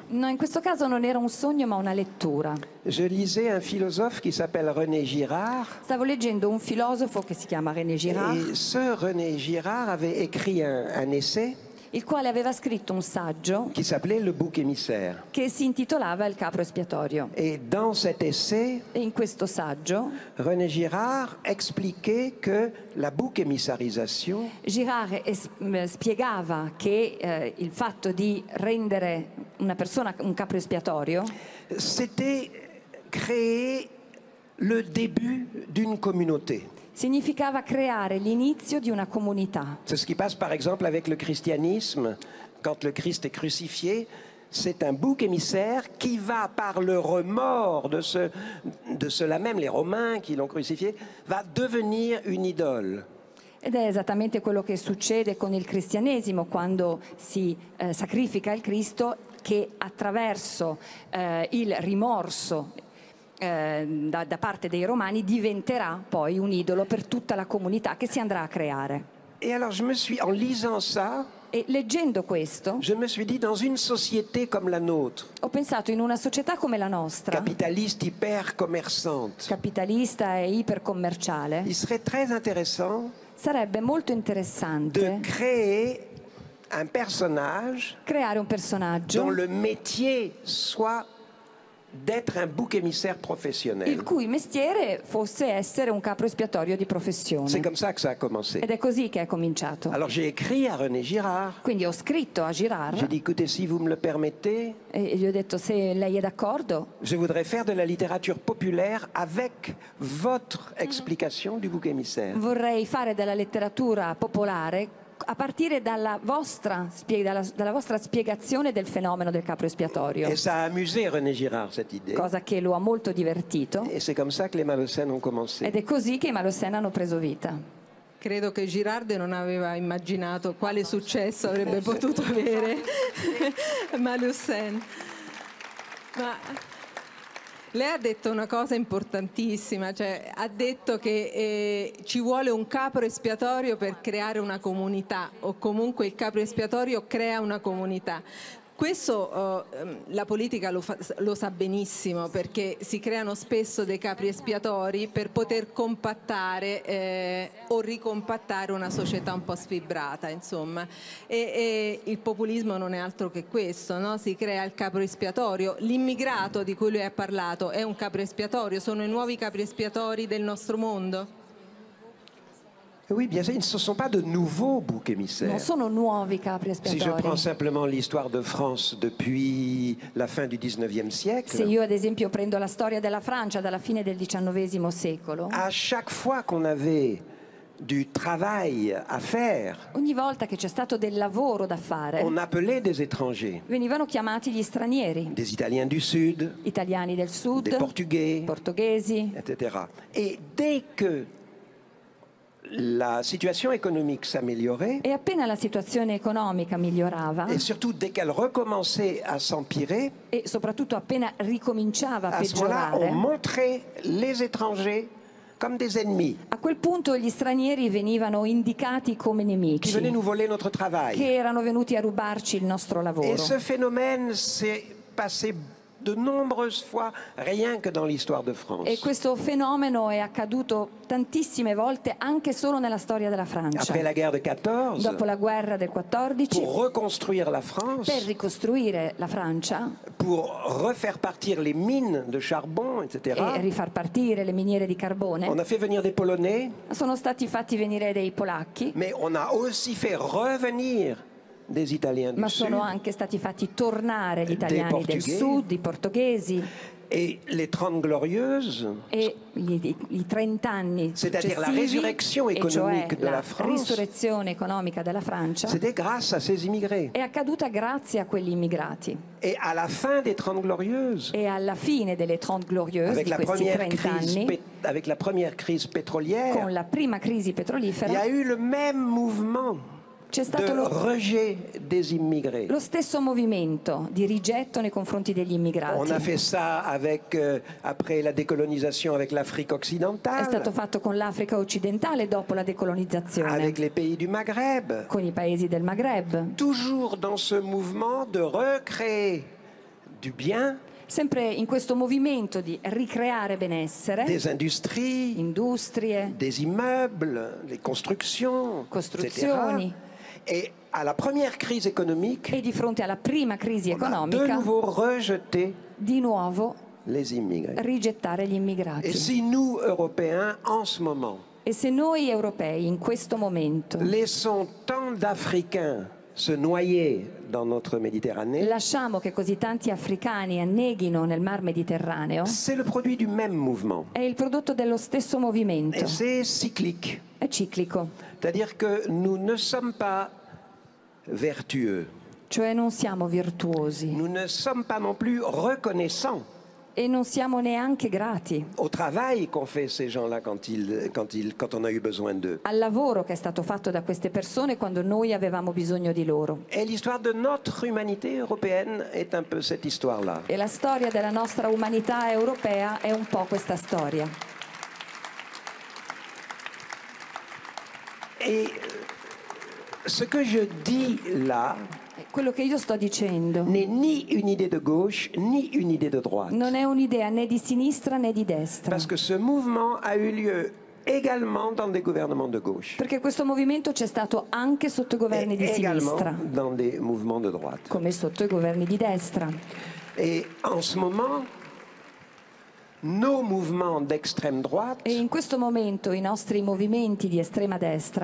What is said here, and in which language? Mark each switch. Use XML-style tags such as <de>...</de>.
<it>No, in questo caso non era un sogno, ma una lettura.</it> <fr>Je lisais un philosophe qui s'appelle René Girard.</fr> <it>Stavo leggendo un filosofo che si chiama René Girard.</it> <fr>Et ce René Girard avait écrit un essai.</fr> <it>Il quale aveva scritto un saggio.</it> <fr>Qui s'appelait Le bouc émissaire.</fr> <it>Che si intitolava Il capro espiatorio.</it> <fr>Et dans cet essai.</fr> <it>E in questo saggio.</it> <fr>René Girard expliquait que la bouc émissarisation.</fr> <it>Girard spiegava che il fatto di rendere una persona un capro espiatorio.</it> <fr>C'était créer le début d'une communauté.</fr> <it>Significava creare l'inizio di una comunità.</it> <fr>C'est ce qui passe par exemple avec le christianisme, quand le Christ est crucifié, c'est un bouc émissaire qui va par le remords de cela même, les Romains qui l'ont crucifié, va devenir une idole.</fr> <it>Ed è esattamente quello che succede con il cristianesimo quando si sacrifica il Cristo, che attraverso il rimorso da parte dei romani diventerà poi un idolo per tutta la comunità che si andrà a creare.</it> <fr>Et alors je me suis, en lisant ça,</fr> <it>e leggendo questo,</it> <fr>je me suis dit, dans une société comme la nôtre,</fr> <it>ho pensato in una società come la nostra, capitalista ipercommerçante, capitalista e ipercommerciale,</it> <fr>il serait très intéressant,</fr> <it>sarebbe molto interessante,</it> <fr>de créer un personnage,</fr> <it>creare un personaggio</it> <fr>dont le métier soit d'être un bouc émissaire professionnel.</fr> <it>Il cui mestiere fosse essere un capro espiatorio di professione.</it> <fr>C'est comme ça que ça a commencé.</fr> <it>Ed è così che è cominciato.</it> <fr>Alors j'ai écrit à René Girard.</fr> <it>Quindi ho scritto a Girard.</it> <fr>J'ai dit, écoutez, si vous me le permettez.</fr> <it>E gli ho detto, se lei è d'accordo.</it> <fr>Je voudrais faire de la littérature populaire avec votre explication du bouc émissaire.</fr> <it>Vorrei fare della letteratura popolare a partire dalla vostra spiegazione del fenomeno del capro espiatorio.</it> <fr>Et ça a amusé René Girard, cette idée.</fr> <it>Cosa che lo ha molto divertito.</it> <fr>Et c'est comme ça que les Malussen ont commencé.</fr> <it>Ed è così che i Malussen hanno preso vita. Credo che Girard non aveva immaginato quale successo avrebbe potuto avere Malussen. Ma lei ha detto una cosa importantissima, cioè ha detto che ci vuole un capro espiatorio per creare una comunità, o comunque il capro espiatorio crea una comunità. Questo la politica lo sa benissimo, perché si creano spesso dei capri espiatori per poter compattare o ricompattare una società un po' sfibrata, insomma. E il populismo non è altro che questo, no? Si crea il capro espiatorio. L'immigrato di cui lui ha parlato è un capro espiatorio? Sono i nuovi capri espiatori del nostro mondo?</it> <fr>Oui, bien sûr, ils ne se sont pas de nouveaux boucs émissaires.</fr> <it>Non, sono nuovi capri espiatori.</it> <fr>Si je prends simplement l'histoire de France depuis la fin du 19e siècle.</fr> <it>Se io ad esempio prendo la storia della Francia dalla fine del 19 secolo.</it> <fr>À chaque fois qu'on avait du travail à faire.</fr> <it>Ogni volta che c'è stato del lavoro da fare.</it> <fr>On appelait des étrangers.</fr> <it>Venivano chiamati gli stranieri.</it> <fr>Des italiens du sud.</fr> <it>Italiani del sud.</it> <fr>Des portugais.</fr> <it>Portoghesi.</it> <fr>Etc. Et dès que la situation économique s'améliorait.</fr> <it>E appena la situazione economica migliorava.</it> <fr>Et surtout dès qu'elle recommençait à s'empirer.</fr> <it>E soprattutto appena ricominciava a peggiorare.</it> <fr>À ce moment-là, on montrait les étrangers comme des ennemis.</fr> <it>A quel punto gli stranieri venivano indicati come nemici.</it> <fr>Qui venaient nous voler notre travail.</fr> <it>Che erano venuti a rubarci il nostro lavoro.</it> <fr>Et ce phénomène s'est passé de nombreuses fois rien que dans l'histoire de France.</fr> <it>E questo fenomeno è accaduto tantissime volte anche solo nella storia della Francia.</it> <fr>Après la guerre de 14.</fr> <it>Dopo la guerra del 14.</it> <fr>Pour reconstruire la France.</fr> <it>Per ricostruire la Francia.</it> <fr>Pour refaire partir les mines de charbon, etc.</fr> <it>E rifar partire le miniere di carbone.</it> <fr>On a fait venir des Polonais.</fr> <it>Sono stati fatti venire dei polacchi.</it> <fr>Mais on a aussi fait revenir des Italiens du</fr> <it>Ma sono</it> <fr>sud,</fr> <it>anche stati fatti tornare gli italiani del sud, i portoghesi.</it> <fr>Et les 30 glorieuses.</fr> <it>E i 30 anni.</it> <fr>C'est-à-dire la résurrection économique de la France.</fr> <it>La risurrezione economica della Francia.</it> <fr>C'était grâce à ces immigrés.</fr> <it>È accaduta grazie a quegli immigrati.</it> <fr>Et à la fin des 30 glorieuses.</fr> <it>E alla fine delle 30 glorieuse di questi 30 anni.</it> <fr>Avec la première crise pétrolière.</fr> <it>Con la prima crisi petrolifera.</it> <fr>Il y a eu le même mouvement.</fr> <it>C'è stato</it> <fr>de rejet des immigrés.</fr> <it>Lo stesso movimento di rigetto nei confronti degli immigrati.</it> <fr>On a fait ça avec après la décolonisation avec l'Afrique occidentale.</fr> <it>È stato fatto con l'Africa occidentale dopo la decolonizzazione.</it> <fr>Avec les pays du Maghreb.</fr> <it>Con i paesi del Maghreb.</it> <fr>Toujours dans ce mouvement de recréer du bien.</fr> <it>Sempre in questo movimento di ricreare benessere.</it> <fr>Des industries.</fr> <it>Industrie.</it> <fr>Des immeubles, les constructions.</fr> <it>Costruzioni.</it> <fr>Etc. Et à la première crise économique,</fr> <it>e di fronte alla prima crisi economica,</it> <fr>on a de nouveau rejeté</fr> <it>di nuovo</it> <fr>les immigrés.</fr> <it>Rigettare gli immigrati.</it> <fr>Et si nous, Européens, en ce moment,</fr> <it>e se noi europei in questo momento</it> <fr>laissons tant d'Africains se noyer dans notre Méditerranée,</fr> <it>lasciamo che così tanti africani anneghino nel mar Mediterraneo,</it> <fr>c'est le produit du même mouvement.</fr> <it>È il prodotto dello stesso movimento.</it> <fr>Et c'est cyclique.</fr> <it>È ciclico.</it> <fr>C'est-à-dire que nous ne sommes pas vertueux.</fr> <it>Cioè non siamo virtuosi.</it> <fr>Nous ne sommes pas non plus reconnaissants.</fr> <it>E non siamo neanche grati.</it> <fr>Au travail qu'ont fait ces gens-là quand on a eu besoin d'eux.</fr> <it>Al lavoro che è stato fatto da queste persone quando noi avevamo bisogno di loro.</it> <fr>Et l'histoire de notre humanité européenne est un peu cette histoire-là.</fr> <it>E la storia della nostra umanità europea è un po' questa storia.</it> <fr>Et ce que je dis là,</fr> <it>quello che io sto dicendo,</it> <fr>n'est ni une idée de gauche ni une idée de droite.</fr> <it>Non è un'idea né di sinistra né di destra.</it> <fr>Parce que ce mouvement a eu lieu également dans des gouvernements de gauche.</fr> <it>Perché questo movimento c'è stato anche sotto governi di sinistra.</it> <fr>Et également dans des mouvements de droite.</fr> <it>Come sotto i governi di destra.</it> <fr>Et en ce moment, nos mouvements d'extrême droite.</fr> <it>E in questo momento i nostri movimenti di estrema destra.</it>